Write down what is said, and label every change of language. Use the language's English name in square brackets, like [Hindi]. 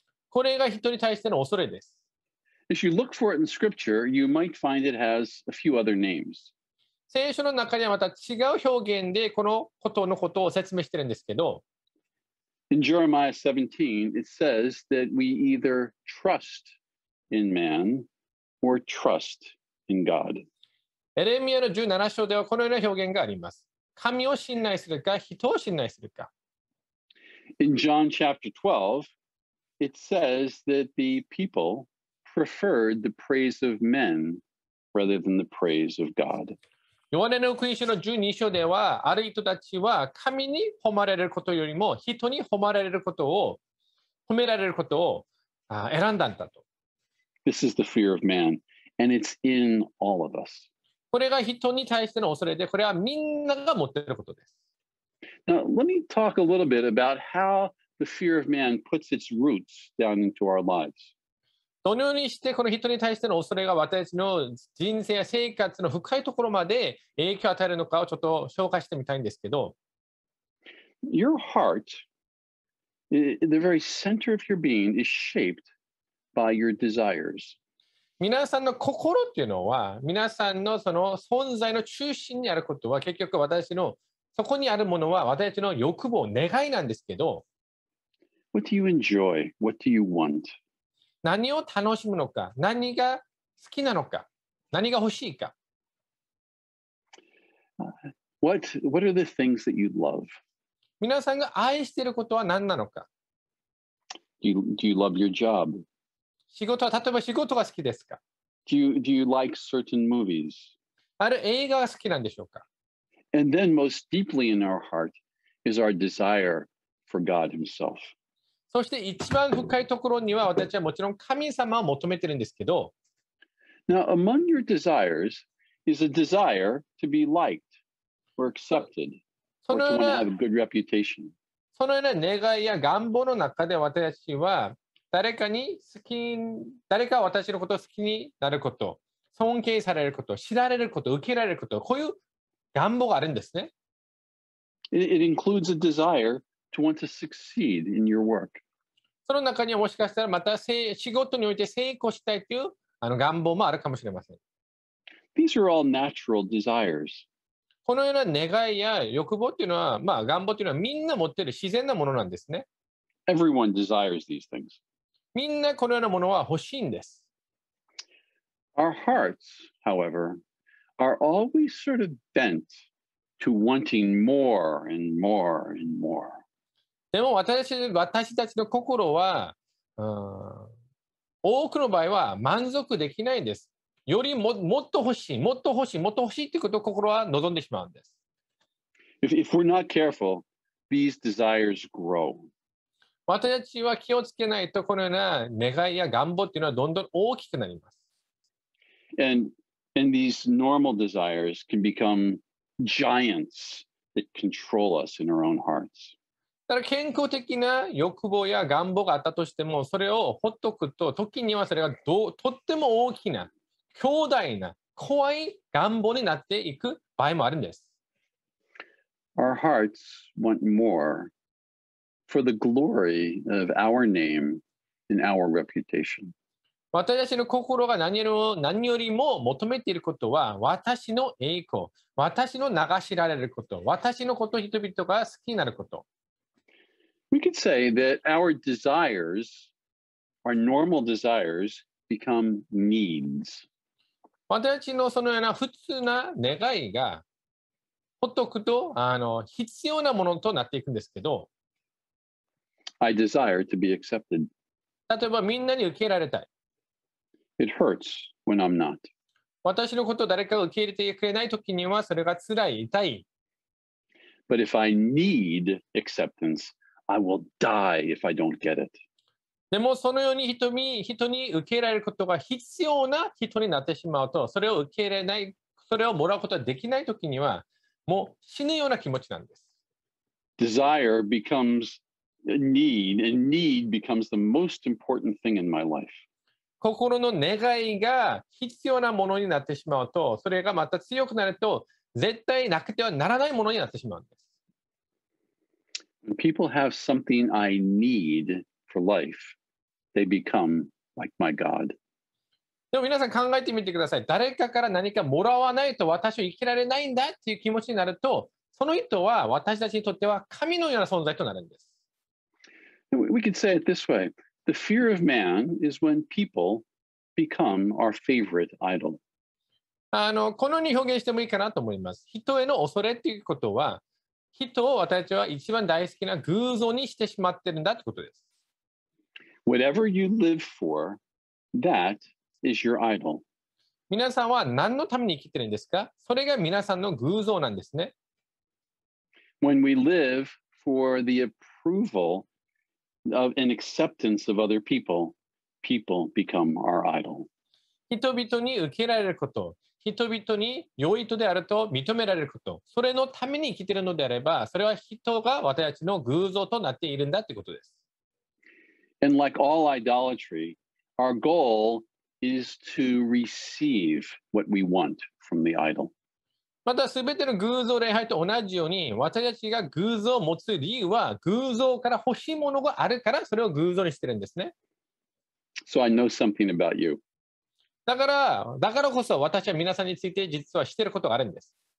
[Japanese] これが人に対しての恐れです。 [English] If you look for it in scripture, you might find it has a few other names. [Japanese] 聖書の中にはまた違う表現でこのことのことを説明しているんですけど。 [English] In Jeremiah 17, it says that we either trust in man or trust in God. [Japanese] エレミアの17章ではこのような表現があります。神を信頼するか、人を信頼するか。 [English] In John chapter 12, it says that the people preferred the praise of men rather than the praise of God. [Japanese] ヨハネの福音書の12章では、ある人たちは神に褒まれることよりも人に褒められることを選んだんだと。 [English] This is the fear of man, and it's in all of us. [Japanese] これが人に対しての恐れで、これはみんなが持っていることです。 [English] Now, let me talk a little bit about how the fear of man puts its roots down into our lives. [Japanese] どのようにしてこの人に対しての恐れが私たちの人生や生活の深いところまで影響を与えるのかをちょっと紹介してみたいんですけど。 [English] Your heart, the very center of your being, is shaped by your desires. [Japanese] 皆さんの心っていうのは、皆さんのその存在の中心にあることは、結局私の、そこにあるものは私たちの欲望、願いなんですけど、 [English] What do you enjoy? What do you want? [Japanese] 何を楽しむのか、何が好きなのか、何が欲しいか。 [English] What are the things that you love? [Japanese] 皆さんが愛していることは何なのか。 [English] Do you love your job? [Japanese] 仕事は例えば仕事が好きですか? [English] Do you like certain movies? [Japanese] ある映画が好きなんでしょうか? [English] And then most deeply in our heart is our desire for God himself. [Japanese] そして一番深いところには私たちはもちろん神様を求めてるんですけど。 [English] Now, among your desires is a desire to be liked or accepted, or to want to have a good reputation. [Japanese] そのような願いや願望の中で私たちは誰かに好き、誰か私のことを好きになること、尊敬されること、知られること、受けられること、こういう願望があるんですね。 [English] It includes a desire to want to succeed in your work. [Japanese] その中にはもしかしたらまた仕事において成功したいというあの願望もあるかもしれません。 [English] These are all natural desires. [Japanese] このような願いや欲望というのは、まあ願望というのはみんな持っている自然なものなんですね。 [English] Everyone desires these things. [Japanese] みんなこのようなものは欲しいんです。 [English] Our hearts, however, are always sort of bent to wanting more and more and more. [Japanese] でも私たちの心は、多くの場合は満足できないんです。よりももっと欲しい、もっと欲しい、もっと欲しいということを心は望んでしまうんです。 [English] If we're not careful, these desires grow. [Japanese] 私たちは気をつけないとこのような願いや願望というのはどんどん大きくなります。 [English] And these normal desires can become giants that control us in our own hearts. [Japanese] だから健康的な欲望や願望があったとしてもそれをほっとくと時にはそれがとっても大きな強大な怖い願望になっていく場合もあるんです。 [English] Our hearts want more for the glory of our name and our reputation. [Japanese] 私たちの心が何よりも求めていることは私の栄光、私の名が知られること、私のこと人々が好きになること。 [English] We could say that our desires, our normal desires, become needs. [Japanese] 私たちのそのような普通な願いがほっとくと必要なものとなっていくんですけど、 [English] I desire to be accepted. [Japanese] 例えばみんなに受け入れられたい。 [English] It hurts when I'm not. [Japanese] 私のことを誰かが受け入れてくれないときにはそれが辛い、痛い。 [English] But if I need acceptance,I will die if I don't get it. [Japanese] でもそのように人に受け入れることが必要な人になってしまうと、それを受け入れない、それをもらうことができないときには、もう死ぬような気持ちなんです。 [English] Desire becomes a need, and need becomes the most important thing in my life. [Japanese] 心の願いが必要なものになってしまうと、それがまた強くなると、絶対なくてはならないものになってしまうんです。 [English] People have something I need for life. They become like my God. [Japanese] でも皆さん考えてみてください。誰かから何かもらわないと私は生きられないんだっていう気持ちになると、その人は私たちにとっては神のような存在となるんです。 [English] We could say it this way. The fear of man is when people become our favorite idol. [Japanese] このように表現してもいいかなと思います。人への恐れっていうことは、人を私たちは一番大好きな偶像にしてしまってるんだということです。 [English] Whatever you live for, that is your idol. [Japanese] 皆さんは何のために生きてるんですか？それが皆さんの偶像なんですね。 [English] When we live for the approval of and acceptance of other people, people become our idol. [Japanese] 人々に受け入れられること。人々に良いとであると認められること、それのために生きているのであれば、それは人が私たちの偶像となっているんだということです。 [English] And like all idolatry, our goal is to receive what we want from the idol. [Japanese] また全ての偶像礼拝と同じように、私たちが偶像を持つ理由は、偶像から欲しいものがあるから、それを偶像にしているんですね。 [English] So I know something about you. [Japanese] だからこそ私は皆さんについて実は知っていることがあるんです。